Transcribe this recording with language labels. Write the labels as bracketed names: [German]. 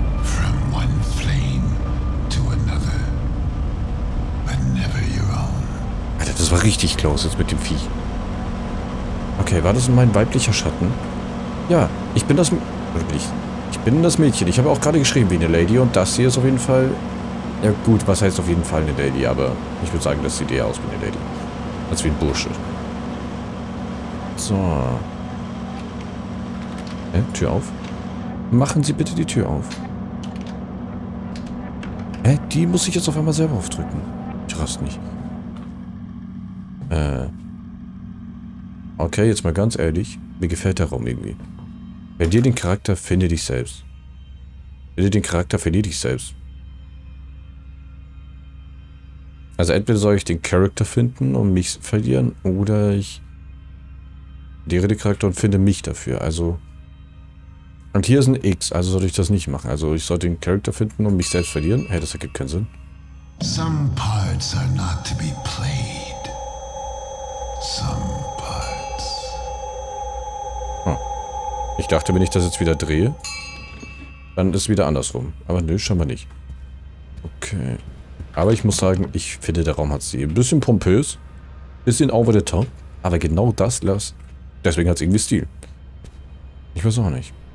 [English] From one flame to another. But never your own. [German] Alter, das war richtig close jetzt mit dem Vieh. Okay, war das mein weiblicher Schatten? Ja, ich bin das... Wirklich. Ich bin das Mädchen. Ich habe auch gerade geschrieben wie eine Lady und das hier ist auf jeden Fall... Ja gut, was heißt auf jeden Fall eine Lady, aber ich würde sagen, das sieht eher aus wie eine Lady. Als wie ein Bursche. So. Hä? Tür auf? Machen Sie bitte die Tür auf. Hä? Die muss ich jetzt auf einmal selber aufdrücken. Ich raste nicht. Okay, jetzt mal ganz ehrlich. Mir gefällt der Raum irgendwie. Verlier den Charakter, finde dich selbst. Verlier den Charakter, verlier dich selbst. Also entweder soll ich den Charakter finden und mich verlieren, oder ich verliere den Charakter und finde mich dafür. Also, und hier ist ein X, also sollte ich das nicht machen. Also ich soll den Charakter finden und mich selbst verlieren. Hey, das ergibt keinen Sinn. [English] Some parts are not to be played. Some parts. Hm. [German] Ich dachte, wenn ich das jetzt wieder drehe, dann ist es wieder andersrum. Aber nö, scheinbar nicht. Okay. Aber ich muss sagen, ich finde, der Raum hat Stil. Ein bisschen pompös. Bisschen [English] over the top. [German] Aber genau das lässt. Deswegen hat es irgendwie Stil. Ich weiß auch nicht.